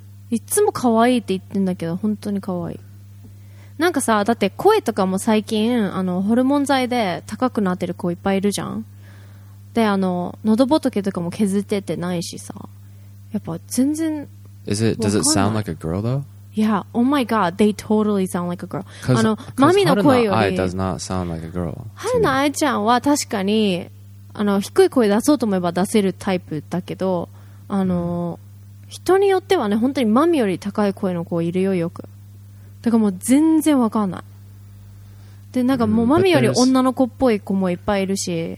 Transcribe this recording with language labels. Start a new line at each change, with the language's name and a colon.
Japanese: いつもかわいいって言ってんだけど、本当にかわいい。なんかさ、だって声とかも最近あのホルモン剤で高くなってる子いっぱいいるじゃん。で、あの喉仏とかも削っててないしさ、やっぱ全然。
English: Is it? Does it sound like a girl though? Yeah, oh my god, they totally sound like a girl.
Japanese: あの、マミの声より
English: Haruna Ai does not sound like a girl.
Japanese: Haruna Ai ちゃんは確かにあの低い声出そうと思えば出せるタイプだけど、あの、人によってはね、本当にマミより高い声の子いるよ、よく。だからもう全然わかんない。で、なんかもうマミより女の子っぽい子もいっぱいいるし。